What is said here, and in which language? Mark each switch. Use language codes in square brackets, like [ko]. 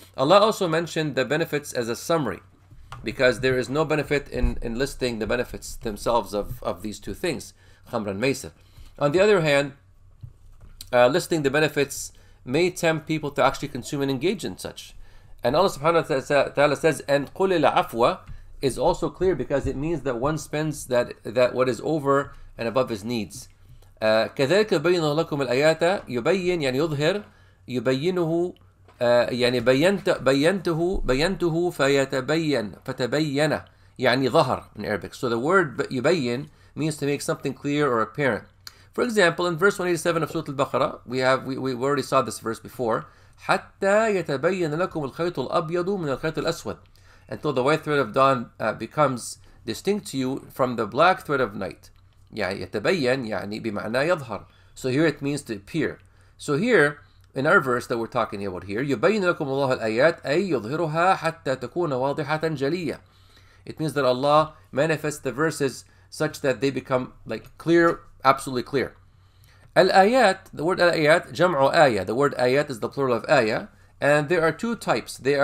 [en] Allah also mentioned the benefits as a summary, because there is no benefit in listing the benefits themselves of these two things, khamr and maysir. On the other hand, listing the benefits may tempt people to actually consume and engage in such. And Allah subhanahu wa ta'ala says, and [ar] قُلِ الْعَفْوَ [en] is also clear, because it means that one spends that what is over and above his needs. [ar] كَذَلِكَ بَيِّنُهُ لَكُمُ الْآيَاتَ يُبَيِّنْ يعني يظهر يُبَيِّنُهُ يعني بينته فيتبين فتبين يعني ظهر [en] in Arabic. So the word يبين means to make something clear or apparent. For example, in verse 187 of Surah Al-Baqarah, we already saw this verse before. [ar] حتى يتبين لكم الخيط الأبيض من الخيط الأسود. [en] Until the white thread of dawn becomes distinct to you from the black thread of night. [ar] يعني يتبين يعني بمعنى يظهر. [en] So here it means to appear. So here, in our verse that we're talking about here, [ar] يُبَيِّنُ لَكُمُ اللَّهُ الْآيَاتِ أَيْ يُظْهِرُهَا حَتَّى تَكُونَ وَاضِحَةً جَلِيَّةً. [en] It means that Allah manifests the verses such that they become like clear, absolutely clear. [ar] الآيات, [en] the word [ar] الآيات, جمع آية. [en] The word آيات is the plural of آية. And there are two types.